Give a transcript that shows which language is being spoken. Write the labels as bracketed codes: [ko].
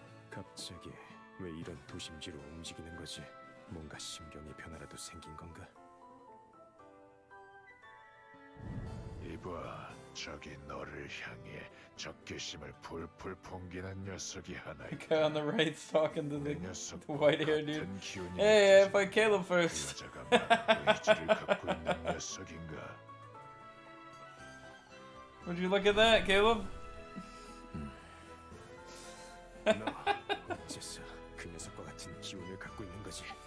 [ko] 갑자기 왜 이런 도심지로 움직이는 거지? 뭔가 심경의 변화라도 생긴 건가? 이봐, 저기 너를 향해 적개심을 풀풀 풍기는 녀석이 하나 있다. [en] The guy on the right is talking to the white hair dude. Hey, I fight Caleb first. [ko] 그 여자가 말하고 의지를 갖고 있는 녀석인가? [en] Would you look at that, Caleb? No. [ko] 어째서 그 녀석과 같은 기운을 갖고 있는 거지?